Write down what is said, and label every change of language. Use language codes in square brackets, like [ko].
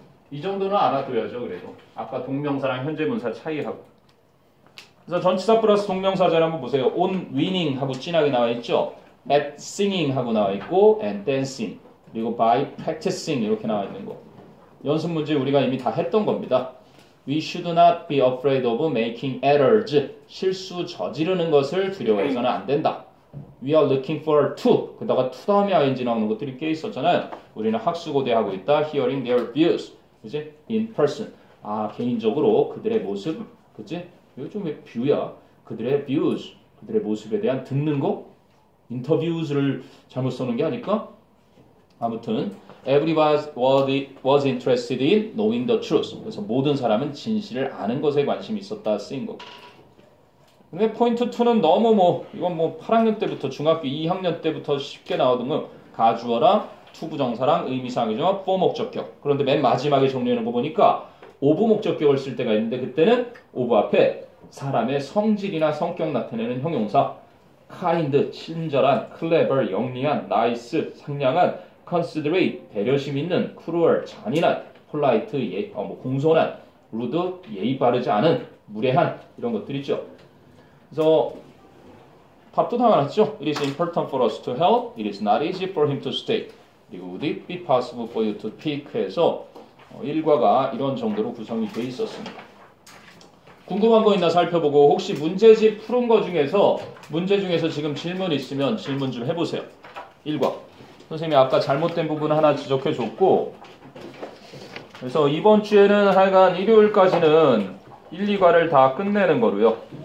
[ko] 이 정도는 알아둬야죠. 그래도. 아까 동명사랑 현재 문사 차이하고. 그래서 전치사 플러스 동명사절 한번 보세요. on winning 하고 진하게 나와 있죠. at singing 하고 나와 있고 and dancing 그리고 by practicing 이렇게 나와 있는 거. 연습 문제 우리가 이미 다 했던 겁니다. [en] We should not be afraid of making errors. [ko] 실수 저지르는 것을 두려워해서는 안 된다. [en] We are looking for to. [ko] 그다가 to 다음에 ing 나오는 것들이 꽤 있었잖아요. 우리는 학수고대하고 있다. [en] Hearing their views. [ko] 그치? [en] In person. [ko] 아, 개인적으로 그들의 모습. 그치? 이거 좀 왜 뷰야? 그들의 views. 그들의 모습에 대한 듣는 거? Interviews를 잘못 써는 게 아닐까? 아무튼 [en] everybody was interested in knowing the truth. [ko] 그래서 모든 사람은 진실을 아는 것에 관심이 있었다 쓰인 거. 근데 포인트 2는 너무 뭐 이건 뭐 8학년 때부터 중학교 2학년 때부터 쉽게 나오던 거 가주어랑 투부정사랑 의미상의정어 for 목적격. 그런데 맨 마지막에 정리하는 거 보니까 of 목적격을 쓸 때가 있는데 그때는 of 앞에 사람의 성질이나 성격 나타내는 형용사 kind 친절한 clever 영리한 nice 상냥한 considerate, 배려심 있는, cruel, 잔인한, polite, 예, 뭐 공손한, rude, 예의 바르지 않은, 무례한 이런 것들이죠. 그래서 답도 다 말했죠. [en] It is important for us to help. It is not easy for him to stay. [ko] 그리고 [en] would it be possible for you to pick? [ko] 해서 1과가 이런 정도로 구성이 되어 있었습니다. 궁금한 거 있나 살펴보고 혹시 문제집 푸른 거 중에서 문제 중에서 지금 질문 있으면 질문 좀 해보세요. 1과. 선생님이 아까 잘못된 부분 하나 지적해줬고 그래서 이번 주에는 하여간 일요일까지는 1, 2과를 다 끝내는 거로요.